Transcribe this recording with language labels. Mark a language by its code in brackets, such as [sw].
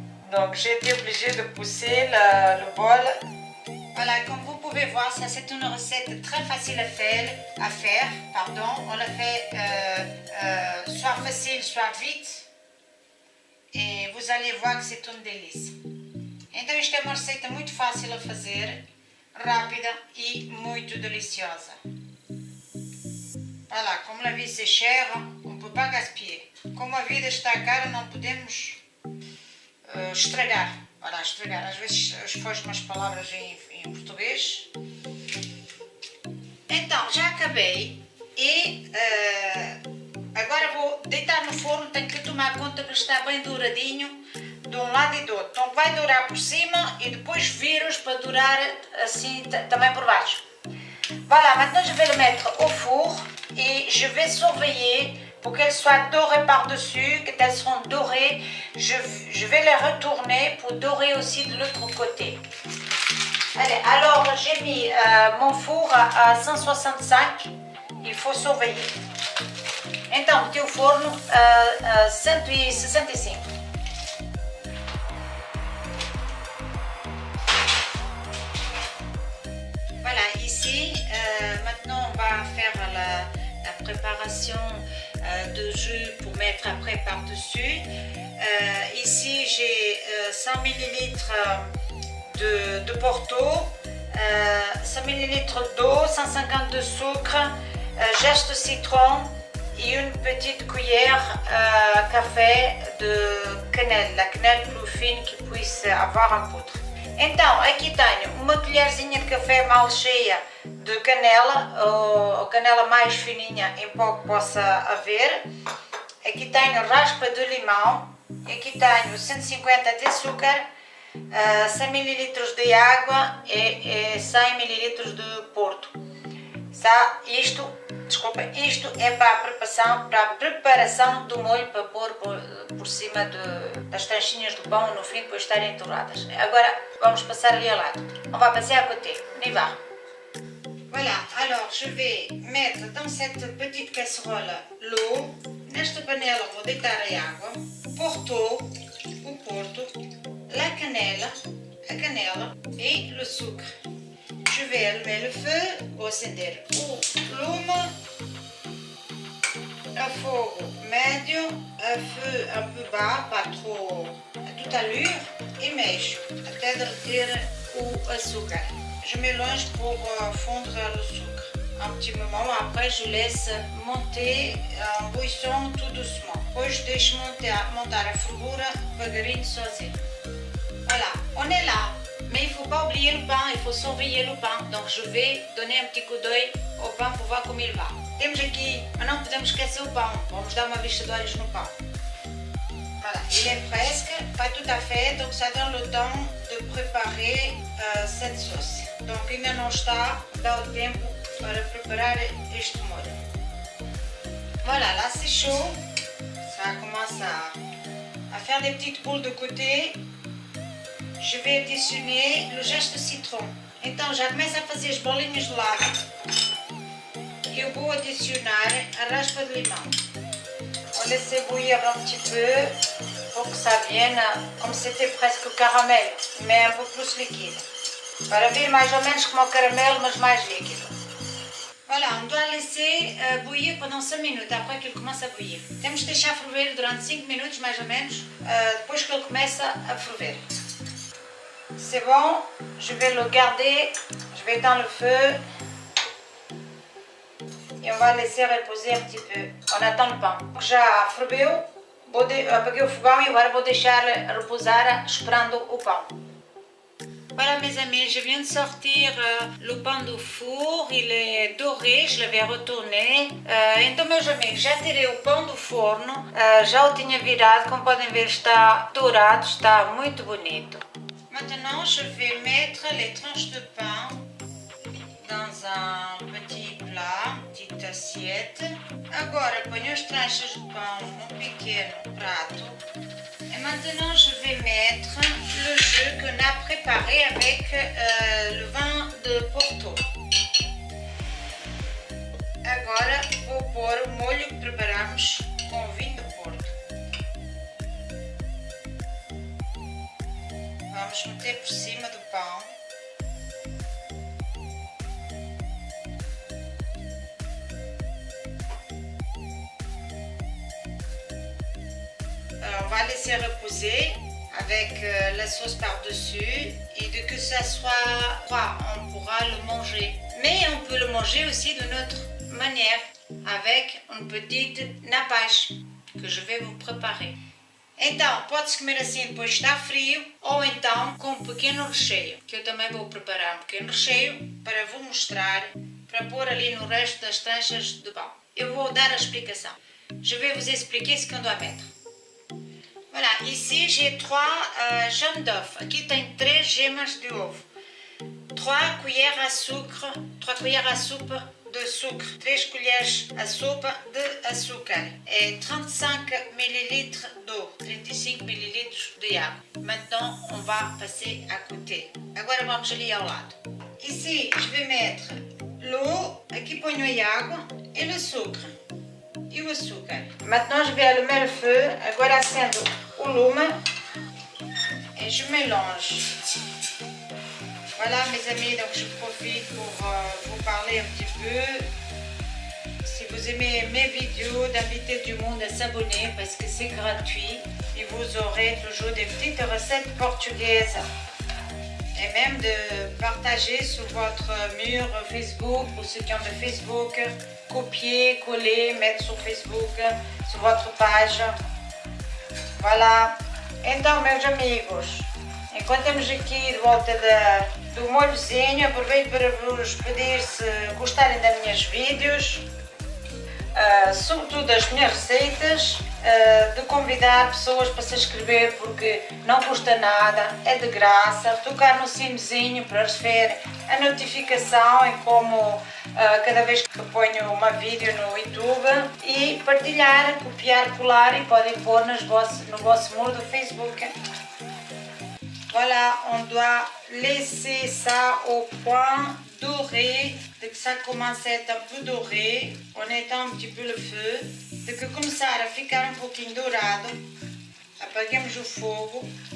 [fr] Donc j'ai été obligée de pousser le bol. Voilà, comme vous pouvez voir, ça c'est une recette très facile à faire. Pardon, on la fait soit facile, soit vite. Et vous allez voir que c'est une délice. [pt] Então, isto é uma receita muito fácil a fazer, rápida e muito deliciosa. Voilà, como a vida é cara, [fr] on peut pas gaspiller. [pt] Como a vida está cara, não podemos estragar. Voilà, estragar. Às vezes foge umas palavras em português. Então, já acabei. E agora vou deitar no forno. Tenho que tomar conta que está bem douradinho de um lado e do outro. Então vai dourar por cima e depois viro-os para dourar assim também por baixo. [fr] Voilà, maintenant je vais le mettre au four e je vais surveiller pour qu'elles soient dorées par-dessus, qu'elles seront dorées, je vais les retourner pour dorer aussi de l'autre côté. Allez, alors j'ai mis mon four à 165, il faut surveiller. [pt] Então, o teu forno à 165. [fr] Voilà, ici, maintenant on va faire la préparation de jus pour mettre après par-dessus. Ici j'ai 100 ml de Porto, 100 ml d'eau, 150 de sucre, zeste de citron et une petite cuillère café de cannelle, la cannelle plus fine qui puisse avoir en poudre. [pt] Então, aqui tenho uma colherzinha de café mal cheia de canela, ou canela mais fininha em pó que possa haver. Aqui tenho raspa de limão. Aqui tenho 150 de açúcar, 100 ml de água e 100 ml de porto. Isto é para a preparação do molho para pôr por cima das tranchinhas do pão no fim, depois estarem torradas. Agora vamos passar ali ao lado. [fr] On va passer à côté. On y va. Voilà, alors je vais mettre dans cette petite casserole l'eau. [pt] Nesta panela vou deitar a água. O porto, a canela e o sucre. [fr] Je vais allumer le feu, [pt] vou acender o lume a fogo médio, [fr] a feu un peu bas, pas trop, à toute allure, [pt] e mexo até derreter o açúcar. [fr] Je mélange pour fondre le sucre un petit moment, après je laisse monter en bouillon tout doucement. [pt] Depois deixo montar a fervura devagarinho sozinho. [fr] Voilà, on est là. Mais il faut pas oublier le pain, il faut surveiller le pain. Donc je vais donner un petit coup d'œil au pain pour voir comment il va. [pt] Temos aqui, mas não podemos esquecer o pão. Vamos dar uma vista de olhos no pão. [fr] Voilà, il est presque, pas tout à fait. Donc ça donne le temps de préparer cette sauce. [pt] Donc ainda não está, dá o tempo para preparar este molho. [fr] Voilà, là c'est chaud. Ça commence à faire des petites boules de côté. Je vais additionner le jus de citron. [pt] Então já começa a fazer as bolinhas de lado. Eu vou adicionar a raspa de limão. Vou deixar [fr] bouillir um petit peu, pour que ça vienne comme c'était presque caramel, mais un peu plus liquide. [pt] Para vir mais ou menos como o caramelo, mas mais líquido. [fr] Voilà, on doit laisser bouillir pendant 5 minutes, après qu'il commence à bouillir. [pt] Temos de deixar ferver durante 5 minutos, mais ou menos, depois que ele começa a ferver. [fr] C'est bon, je vais le garder, je vais éteindre le feu. Et on va laisser reposer un petit peu. On attend le pain. [pt] Já ferveu, apaguei o fogão e agora vou deixar repousar, esperando o pão. [fr] Voilà mes amis, je viens de sortir le pain du four, il est doré, je l'avais retourné. [pt] Então meus amigos, já tirei o pão do forno, já o tinha virado, como podem ver está dourado, está muito bonito. [fr] Maintenant je vais mettre les tranches de pain dans un petit plat, petite assiette. [pt] Agora ponho as tranches de pão num pequeno prato. [fr] Et maintenant je vais mettre le jus qu'on a préparé avec le vin de Porto. [pt] Agora vou pôr o molho que preparamos com o vinho de Porto. Vamos meter por cima do pão. [fr] On va laisser reposer avec la sauce par-dessus et de que ça soit froid, on pourra le manger. Mais on peut le manger aussi d'une autre manière avec une petite napache que je vais vous préparer. [pt] Então, pode-se comer assim depois de estar frio ou então com um pequeno recheio, que eu também vou preparar um pequeno recheio para vos mostrar, para pôr ali no resto das tranchas de pão. Eu vou dar a explicação. [fr] Je vais vous expliquer ce qu'on doit mettre. Voilà, ici j'ai 3 jaunes d'œufs. [pt] Aqui tem 3 gemas de ovo. 3 colheres à soupe de sucre. 3 colheres à sopa de açúcar. [fr] E 35 ml d'eau. [pt] 35 ml de água. [fr] Maintenant, on va passer à côté. [pt] Agora vamos ali ao lado. [fr] Ici, je vais mettre l'eau. [pt] Aqui ponho a água e o sucre. E o açúcar. [fr] Maintenant, je vais allumer le feu. [pt] Agora acendo o lume e [fr] je mélange. Voilà, mes amis, donc je profite pour vous parler un petit peu. Si vous aimez mes vidéos, d'inviter du monde à s'abonner parce que c'est gratuit et vous aurez toujours des petites recettes portugaises. Et même de partager sur votre mur Facebook, pour ceux qui ont le Facebook, copier, coller, mettre sur Facebook, sur votre page. Voilà. [pt] Então, meus amigos, Enquanto aqui de volta do molhozinho, aproveito para vos pedir se gostarem das minhas vídeos, sobretudo as minhas receitas, de convidar pessoas para se inscrever, porque não custa nada, é de graça, tocar no sinozinho para receber a notificação e como cada vez que ponho uma vídeo no YouTube, e partilhar, copiar, colar, e podem pôr no vosso muro do Facebook. [fr] Voilà, on doit laisser ça au point doré. Dès que ça commence à être un peu doré, on éteint un petit peu le feu. Dès que [pt] commence à ficar un pouquinho dourado, apaguemos o fogo.